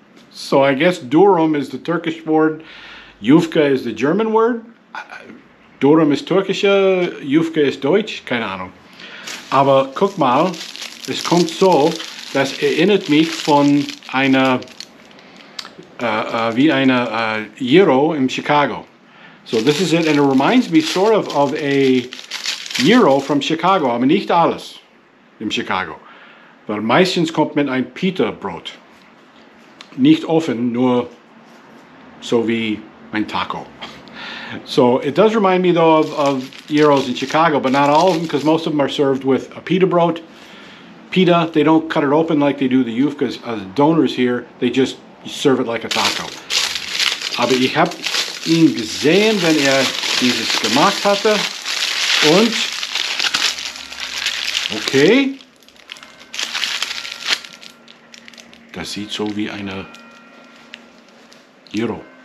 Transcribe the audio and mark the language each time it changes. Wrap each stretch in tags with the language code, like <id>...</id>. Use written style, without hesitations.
<en>So I guess Durum is the Turkish word. Jufka is the German word.</en> <de>Durum ist türkische, Jufka ist deutsch, keine Ahnung. Aber guck mal, es kommt so, das erinnert mich von einer, wie eine Gyro in Chicago.</de> <en>So this is it, and it reminds me sort of a Gyro from Chicago,</en> <de>aber nicht alles in Chicago. Weil meistens kommt man ein Pita-Brot. Nicht offen, nur so wie ein Taco.</de> <en>So it does remind me though of gyros in Chicago, but not all of them, because most of them are served with a pita brot. Pita, they don't cut it open like they do the yufkas. The donors here, they just serve it like a taco.</en> <de>Aber ich habe ihn gesehen, wenn dieses gemacht hatte. Und, okay. Das sieht so wie eine gyro.</de>